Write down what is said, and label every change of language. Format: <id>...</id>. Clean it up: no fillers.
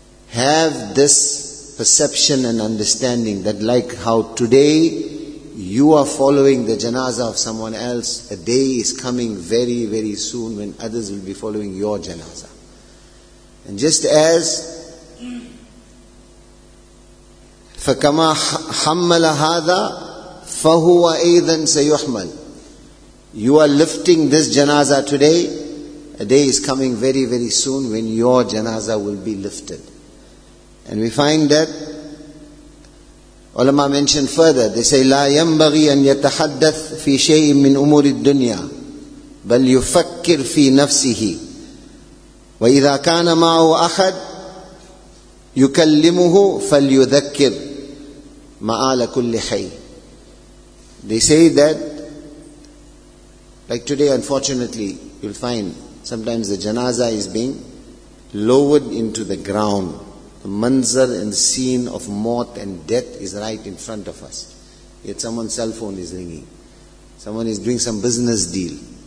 <en>Have this perception and understanding that like how today you are following the janazah of someone else, a day is coming very, very soon when others will be following your janazah. And just as</en> <ar>فَكَمَا حَمَّلَ هَذَا فَهُوَ أَيْذًا سَيُحْمَلُ.</ar> <en>You are lifting this janazah today, a day is coming very, very soon when your janazah will be lifted. And we find that ulama mentioned further, they say,</en> <ar>لَا يَنْبَغِي أَنْ يَتَحَدَّثْ فِي شَيْءٍ مِّنْ أُمُورِ الدُّنْيَا بَلْ يُفَكِّرْ فِي نَفْسِهِ وَإِذَا كَانَ مَعُهُ أَحَدْ يُكَلِّمُهُ فَلْيُذَكِّرْ مَعَالَ كُلِّ حَيْءٍ.</ar> <en>They say that, like today unfortunately, you'll find sometimes the janazah is being lowered into the ground. The manzar and the scene of mort and death is right in front of us. Yet someone's cell phone is ringing. Someone is doing some business deal.</en>